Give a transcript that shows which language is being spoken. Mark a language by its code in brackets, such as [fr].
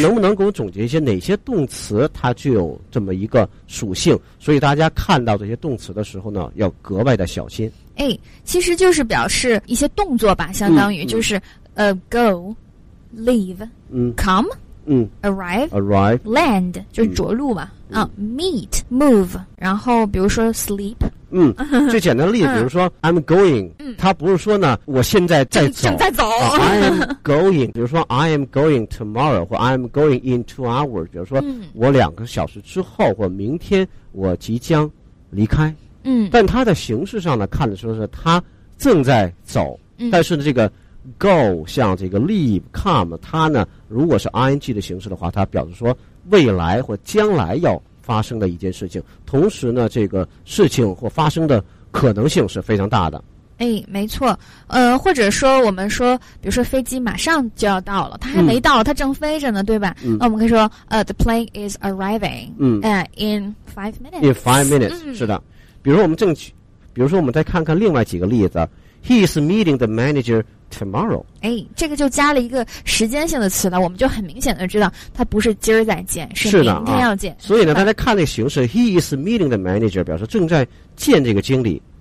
[zh] 能不能给我总结一些哪些动词它具有这么一个属性，所以大家看到这些动词的时候呢要格外的小心。其实就是表示一些动作吧，相当于就是go leave come arrive land 就是着陆吧。 meet move， 然后比如说 sleep。最简单的例子比如说 [en] I'm going， [zh] 它不是说呢我现在在走，正在走。 I am going， 比如说 [en] I am going tomorrow [zh] 或 [en] I am going in 2 hours， [zh] 比如说我两个小时之后或明天我即将离开。但它的形式上呢看的时候是它正在走，但是这个 go 向这个 leave come， 它呢如果是 ing 的形式的话，它表示说未来或将来要发生的一件事情，同时呢这个事情或发生的可能性是非常大的。哎，没错，或者说我们说，比如说飞机马上就要到了，它还没到，它正飞着呢，对吧？那我们可以说， [en] the plane is arriving， in 5 minutes。 In 5 minutes， [zh] 是的。比如我们正，比如说我们再看看另外几个例子 ， [en] He is meeting the manager tomorrow。 [zh] 哎，这个就加了一个时间性的词了，我们就很明显的知道，它不是今儿再见，是明天要见。啊、所以呢，大家看那个形式 ， [en] He is meeting the manager， [zh] 表示正在见这个经理。